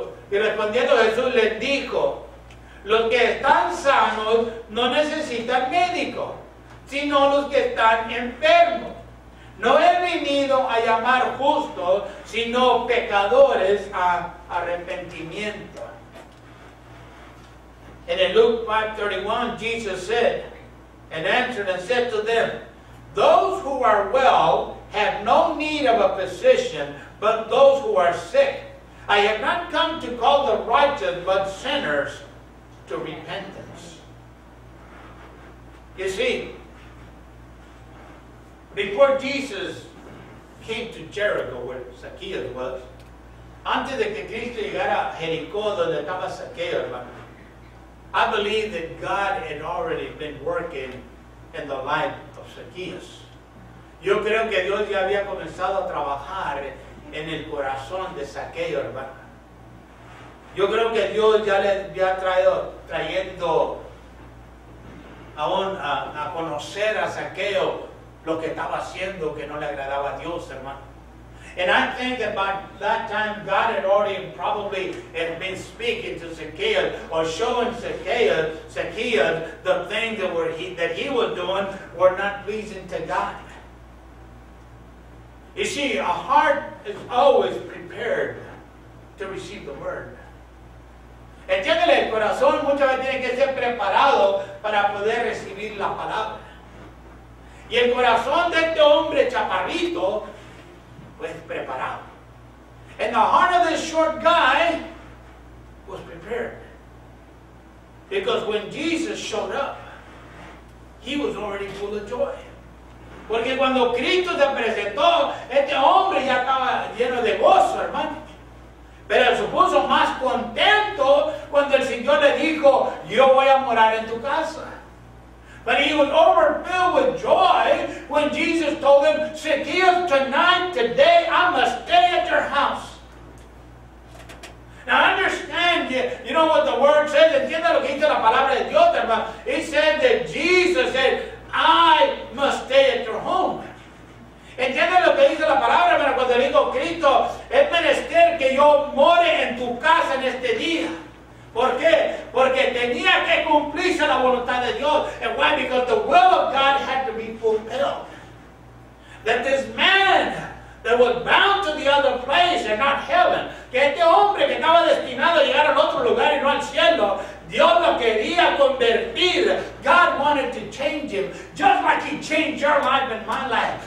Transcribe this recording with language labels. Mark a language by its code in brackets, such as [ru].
[es] Y respondiendo Jesús les dijo: los que están sanos no necesitan médico, sino los que están enfermos. No he venido a llamar justos, sino pecadores a arrepentimiento. [en] And in Luke 5:31, Jesus said, and answered and said to them, those who are well have no need of a physician, but those who are sick. I have not come to call the righteous, but sinners to repentance. You see, before Jesus came to Jericho, where Zacchaeus was, [es] antes de que Cristo llegara a Jericó, donde estaba Zacchaeus, hermano, [en] I believe that God had already been working in the life of Zacchaeus. [es] Yo creo que Dios ya había comenzado a trabajar en el corazón de Zacchaeus, hermano. Yo creo que Dios ya le había trayendo a conocer a Zaqueo lo que estaba haciendo que no le agradaba a Dios, hermano. [en] And I think that by that time God had already probably had been speaking to Zaqueo or showing Zaqueo the things that he was doing were not pleasing to God. You see, a heart is always prepared to receive the word. [es] Entiéndele, el corazón muchas veces tiene que ser preparado para poder recibir la palabra. Y el corazón de este hombre chaparrito, pues preparado. [en] And the heart of this short guy was prepared. Because when Jesus showed up, he was already full of joy. Porque cuando Cristo se presentó, este hombre ya estaba lleno de gozo, hermano. [es] Pero se puso más contento cuando el Señor le dijo, yo voy a morar en tu casa. [en] But he was overfilled with joy when Jesus told him, Zacchaeus, tonight, today, I must stay at your house. Now understand, you know what the word says, [es] entienda lo que dice la palabra de Dios, hermano. [en] It said that Jesus said, I must stay at your home. [es] ¿Entiendes lo que dice la palabra, hermano? Cuando le digo Cristo, es menester que yo more en tu casa en este día. ¿Por qué? Porque tenía que cumplirse la voluntad de Dios. [en] And why? Because the will of God had to be fulfilled. That this man that was bound to the other place and not heaven, [es] que este hombre que estaba destinado a llegar al otro lugar y no al cielo, Dios lo quería convertir. [en] God wanted to change him, just like he changed your life and my life.